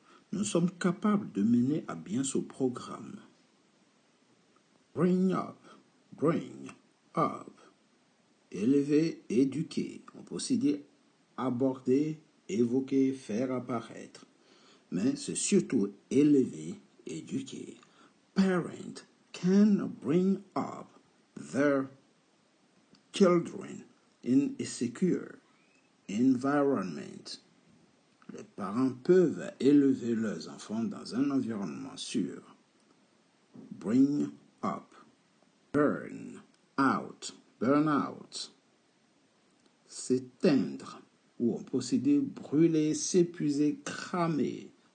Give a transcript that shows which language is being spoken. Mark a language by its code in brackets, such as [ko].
[fr] Nous sommes capables de mener à bien ce programme. [en] Bring up. Bring up. [fr] Élever, éduquer. On peut aussi dire aborder, évoquer, faire apparaître. Mais c'est surtout élever, éduquer. [en] Parent can bring up their children in a secure environment. [fr] Les parents peuvent élever leurs enfants dans un environnement sûr. [en] Bring up. Burn out. Burn out. [fr] S'éteindre. Ou on peut aussi dire brûler, s'épuiser, cramer.